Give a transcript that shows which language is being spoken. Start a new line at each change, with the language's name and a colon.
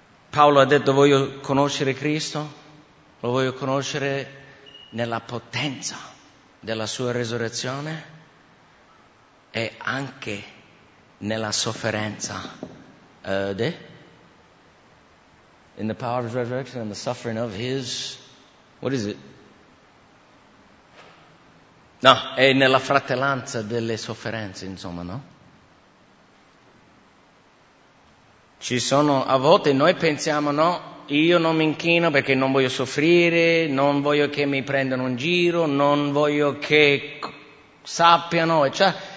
Italian: Paolo ha detto: voglio conoscere Cristo, lo voglio conoscere nella potenza della sua resurrezione e anche nella sofferenza.
English: In the power of his resurrection and the suffering of his, what is it?
Italian: No, è nella fratellanza delle sofferenze, insomma, no? Ci sono, a volte noi pensiamo, no, io non mi inchino perché non voglio soffrire, non voglio che mi prendano in giro, non voglio che sappiano, eccetera.